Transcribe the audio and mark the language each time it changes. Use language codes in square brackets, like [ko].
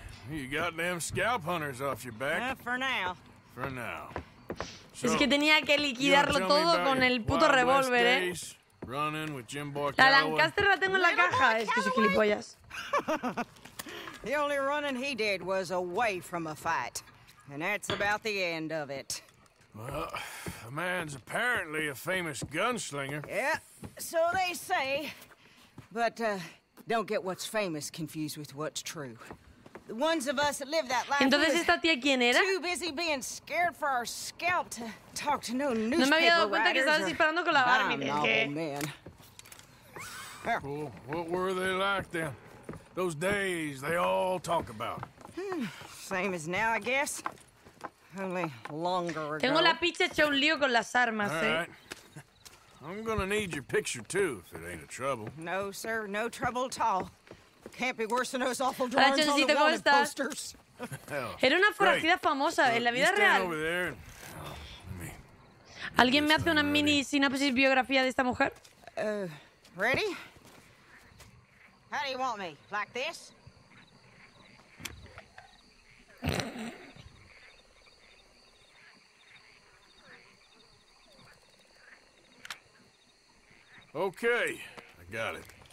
[en] You got them scalp hunters off your back. For now. [es] So, es que tenía que liquidarlo todo con el puto revólver, ¿eh? La Lancaster la tengo en la caja. Es que soy gilipollas. [en] The only running he did was away from a fight. And that's about the end of it. Well, the man's apparently a famous gunslinger. Yeah, so they say. But, don't get what's famous confused with what's true. The ones of us that live that life. [es] Entonces, ¿esta tía quién era? [en] Too busy being scared for our scalp to talk to no newspaper [es] writers. No me había dado cuenta que estabas disparando con la Barbie, ¿de qué? [en] Well, what were they like then? Those days they all talk about. Same as now, I guess. Only longer ago. [es] Tengo la picha hecha un lío con las armas, [en] All right. I'm gonna need your picture too, if it ain't a trouble. No, sir, no trouble at all. Can't be worse than those awful drawings on the wanted posters. [es] Era una forajida famosa en la vida real. ¿Alguien me hace una mini sinopsis biografía de esta mujer? [en] Ready? How do you want me? Like this? Okay, I got it.